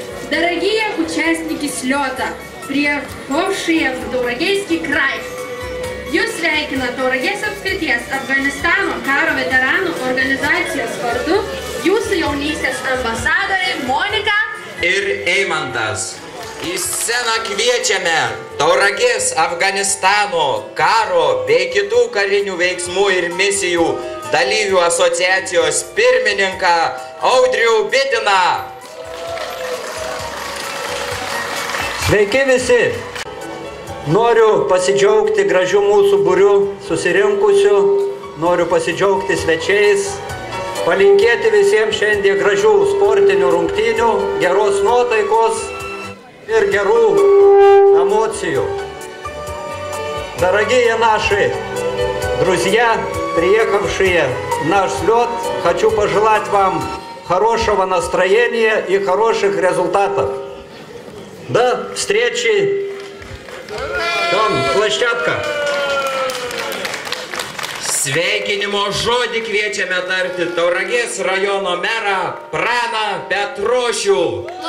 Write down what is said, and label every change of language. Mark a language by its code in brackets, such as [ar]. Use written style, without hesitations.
[ru] Дорогие участники слета, приехавшие в Таурагейский край. [lt] Jūs sveikina Tauragės apskrities Afganistano karo veteranų organizacijos vardu jūsų jaunystės ambasadoriai Monika ir Eimantas. Į sceną kviečiame Tauragės Afganistano karo bei kitų karinių veiksmų ir misijų dalyvių asociacijos pirmininką Audrių Bitiną. Sveiki visi. Noriu pasidžiaugti gražiu mūsų būriu susirinkusiu. Noriu pasidžiaugti svečiais. Palinkėti visiems šiandien gražių sportinių rungtynių, geros nuotaikos ir gerų emocijų. [ru] Дорогие наши друзья, приехавшие в наш слет, хочу пожелать вам хорошего настроения и хороших результатов. До встречи там, площадка. [lt] Sveikinimo žodį kviečiame tarti Tauragės rajono merą Praną Petrošių.